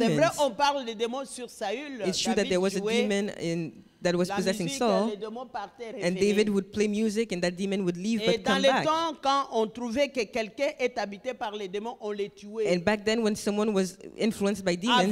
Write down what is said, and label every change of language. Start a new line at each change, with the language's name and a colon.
French: C'est vrai, on parle des démons sur Saül.
English: It's true that there was a demon in that was possessing Saul.
French: Les démons partaient.
English: And David would play music, and that demon would leave,
French: et
English: but come back.
French: Et dans les temps, quand on trouvait que quelqu'un est habité par les démons, on les tuait.
English: And back then, when someone was influenced by demons,